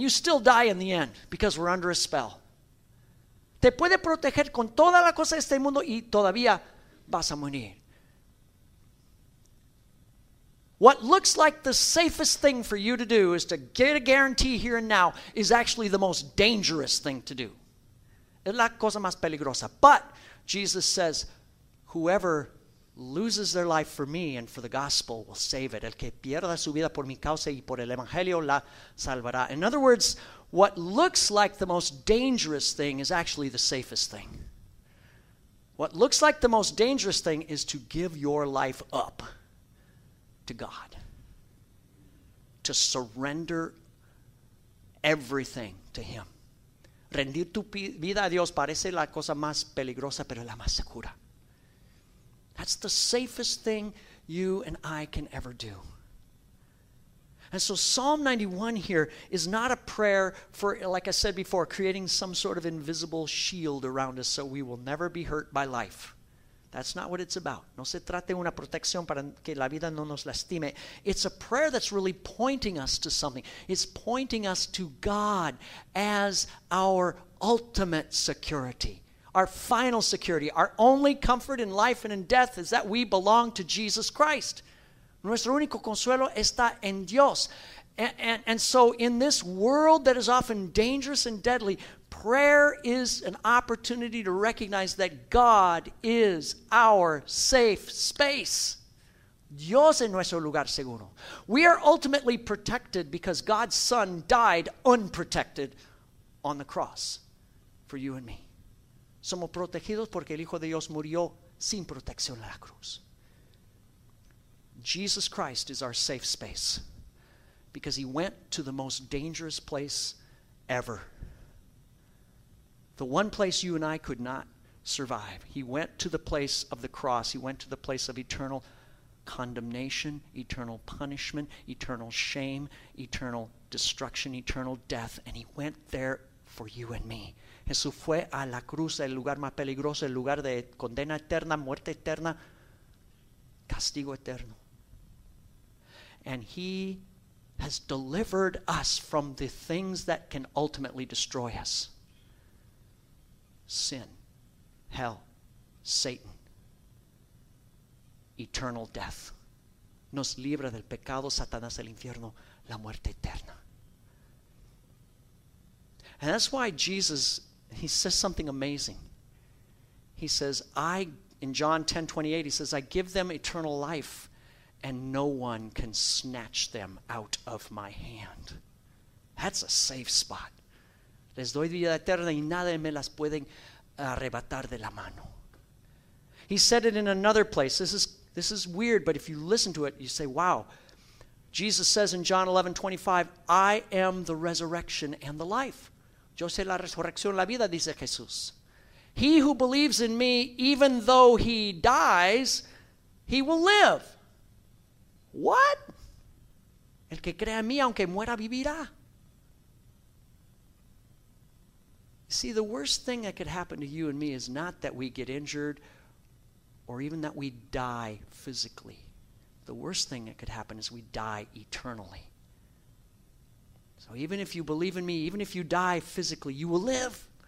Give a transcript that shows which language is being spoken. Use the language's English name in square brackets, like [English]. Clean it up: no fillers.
[English] You still die in the end because we're under a spell. [Spanish] Te puede proteger con toda la cosa de este mundo y todavía vas a morir. [English] What looks like the safest thing for you to do is to get a guarantee here and now is actually the most dangerous thing to do. [Spanish] Es la cosa más peligrosa. [English] But Jesus says, whoever loses their life for me and for the gospel will save it. [Spanish] El que pierda su vida por mi causa y por el evangelio la salvará. [English] In other words, what looks like the most dangerous thing is actually the safest thing. What looks like the most dangerous thing is to give your life up to God. To surrender everything to Him. [Spanish] Rendir tu vida a Dios parece la cosa más peligrosa, pero la más segura. [English] That's the safest thing you and I can ever do. And so Psalm 91 here is not a prayer for, like I said before, creating some sort of invisible shield around us so we will never be hurt by life. That's not what it's about. [Spanish] No se trata de una protección para que la vida no nos lastime. [English] It's a prayer that's really pointing us to something. It's pointing us to God as our ultimate security, our final security, our only comfort in life and in death is that we belong to Jesus Christ. [Spanish] Nuestro único consuelo está en Dios. [English] And so in this world that is often dangerous and deadly, prayer is an opportunity to recognize that God is our safe space. [Spanish] Dios es nuestro lugar seguro. [English] We are ultimately protected because God's Son died unprotected on the cross for you and me. [Spanish] Somos protegidos porque el Hijo de Dios murió sin protección en la cruz. [English] Jesus Christ is our safe space because he went to the most dangerous place ever. The one place you and I could not survive. He went to the place of the cross. He went to the place of eternal condemnation, eternal punishment, eternal shame, eternal destruction, eternal death. And he went there for you and me. [Spanish] Jesús fue a la cruz, el lugar más peligroso, el lugar de condena eterna, muerte eterna, castigo eterno. [English] And he has delivered us from the things that can ultimately destroy us. Sin, hell, Satan, eternal death. [Spanish] Nos libra del pecado, Satanás, el infierno, la muerte eterna. [English] And that's why Jesus, he says something amazing. He says, in John 10:28, he says, I give them eternal life, and no one can snatch them out of my hand. That's a safe spot. [Spanish] Les doy vida eterna y nadie me las pueden arrebatar de la mano. [English] He said it in another place. This is weird, but if you listen to it, you say, wow. Jesus says in John 11:25, I am the resurrection and the life. [Spanish] Yo soy la resurrección y la vida, dice Jesús. [English] He who believes in me, even though he dies, he will live. What? [Spanish] El que crea en mí, aunque muera, vivirá. [English] See, the worst thing that could happen to you and me is not that we get injured or even that we die physically. The worst thing that could happen is we die eternally. So even if you believe in me, even if you die physically, you will live.